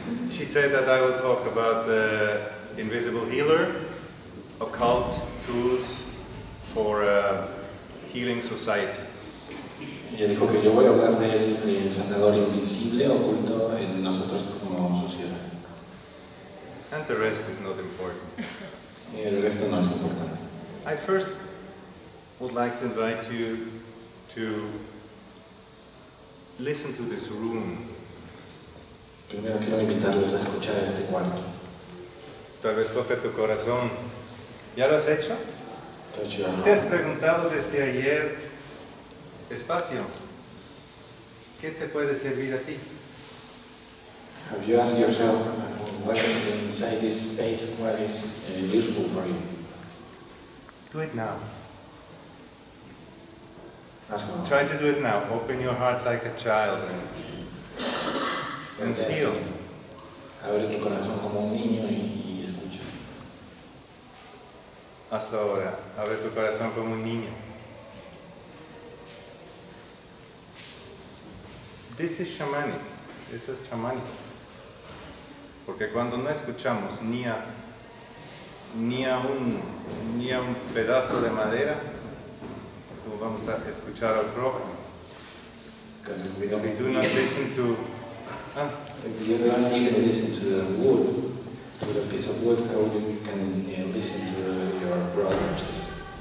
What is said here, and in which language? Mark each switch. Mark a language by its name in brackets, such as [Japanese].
[English] She said that I will talk about the invisible healer, occult tools for a healing society. [Spanish] Ella dijo que yo voy a hablar del sanador invisible oculto en nosotros como sociedad. [English] And the rest is not important. [Spanish] Y el resto no es importante. [English] I first would like to invite you to listen to this room. [Spanish] Primero quiero invitarlos a escuchar este cuarto. Tal vez toque tu corazón. ¿Ya lo has hecho? ¿Te has preguntado desde ayer, espacio, qué te puede servir a ti? [English] Have you asked yourself what inside this space what is useful for you? Do it now. Ask now. Try to do it now. Open your heart like a child. And feel. [Spanish] Abre tu corazón como un niño y escucha. Hasta ahora, abre tu corazón como un niño. [English] This is shamanic. This is shamanic. [Spanish] Porque cuando no escuchamos ni a un pedazo de madera, no vamos a escuchar al prójimo. [English] We do not listen to. If you don't even listen to the wood, to the piece of wood, how you can listen to your brother or sister?